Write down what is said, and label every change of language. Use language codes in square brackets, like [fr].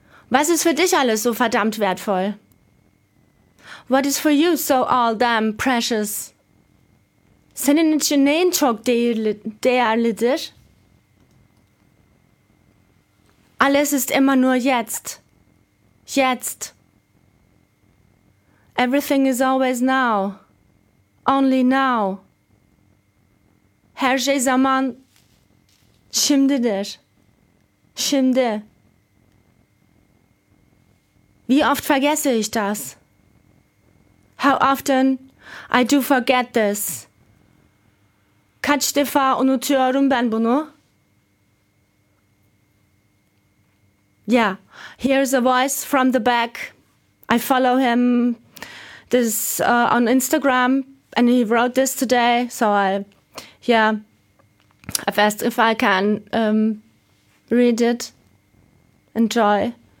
[de] Was ist für dich alles so verdammt wertvoll? [en] What is for you so all damn precious? [tr] Senin için neyin çok değerlidir? [de] Alles ist immer nur jetzt. Jetzt. [en] Everything is always now. Only now. [tr] Her şey zaman şimdidir. Şimdi. [de] Wie oft vergesse ich das? [en] How often I do forget this? [tr] Kaç defa unutuyorum ben bunu? [en] Yeah, here's a voice from the back. I follow him this on Instagram, and he wrote this today. So I've asked if I can read it. Enjoy.